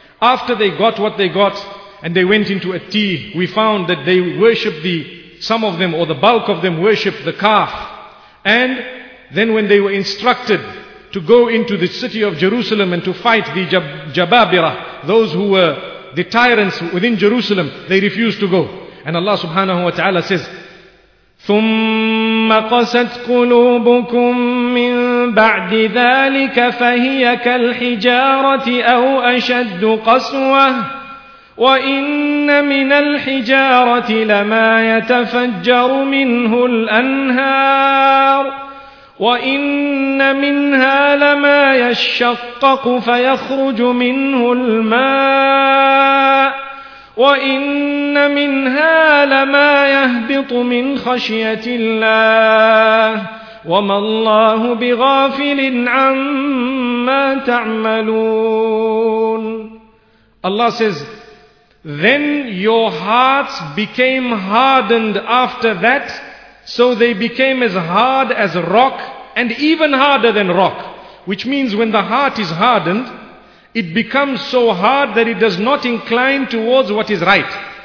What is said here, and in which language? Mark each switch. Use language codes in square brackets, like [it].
[en] After they got what they got, and they went into a tea, we found that they worship the bulk of them worship the calf. And then when they were instructed to go into the city of Jerusalem and to fight the Jababirah, those who were the tyrants within Jerusalem, they refused to go. And Allah subhanahu wa ta'ala says, [ar] ثُمَّ قَسَتْ قُلُوبُكُمْ مِنْ بَعْدِ ذَلِكَ فَهِيَ كَالْحِجَارَةِ أَوْ أَشَدُّ قَسْوَةً وَإِنَّ مِنَ الْحِجَارَةِ لَمَا يَتَفَجَّرُ مِنْهُ الْأَنْهَارُ وَإِنَّ مِنْهَا لَمَا يَشَّقَّقُ فَيَخْرُجُ مِنْهُ الْمَاءُ وَإِنَّ مِنْهَا لَمَا يَهْبِطُ مِنْ خَشْيَةِ اللَّهِ وَمَا اللَّهُ بِغَافِلٍ عَمَّا تَعْمَلُونَ. [en] Allah says, then your hearts became hardened after that, so they became as hard as rock and even harder than rock. Which means when the heart is hardened, it becomes so hard that it does not incline towards what is right.